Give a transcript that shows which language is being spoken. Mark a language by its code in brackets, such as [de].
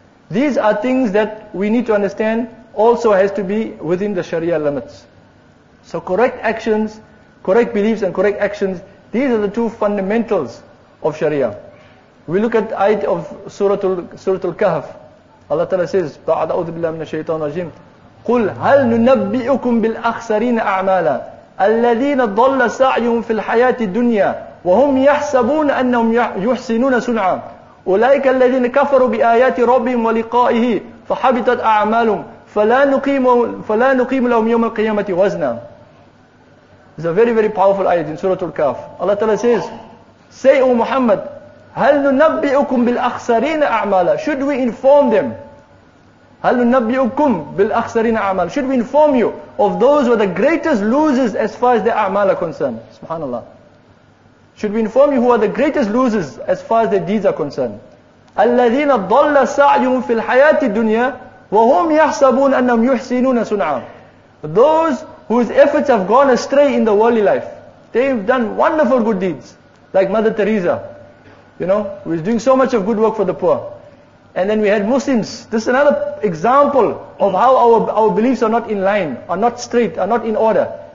[en] These are things that we need to understand also has to be within the Sharia limits. So correct actions, correct beliefs and correct actions, these are the two fundamentals of Sharia. We look at ayat of Surah Al-Kahf. Allah Ta'ala says, [ar] بعد أعوذ بالله من الشيطان الرجيم قل هل ننبئكم بالأخسرين أعمالا الذين ضل سعيهم في الحياة الدنيا وهم يحسبون أنهم يحسنون صنعا أولئك الذين كفروا بآيات ربهم ولقائه فحبطت أعمالهم فلا نقيم لهم يوم القيامة وزنا. [en] It's a very very powerful ayat in Surah Al-Kahf. Allah Ta'ala says, say O Muhammad, [ar] هل ننبئكم بالأخسرين أعمالا. [en] Should we inform them? [ar] هل ننبئكم بالأخسرين أعمالا. [en] Should we inform you of those who are the greatest losers as far as their أعمال are concerned? Subhanallah. Should we inform you who are the greatest losers as far as their deeds are concerned? [ar] الذين ضل سعيهم في الحياة الدنيا وهم يحسبون أنهم يحسنون صنعا. [en] Those whose efforts have gone astray in the worldly life. They've done wonderful good deeds. Like Mother Teresa. You know, who is doing so much of good work for the poor. And then we had Muslims. This is another example of how our beliefs are not in line, are not straight, are not in order.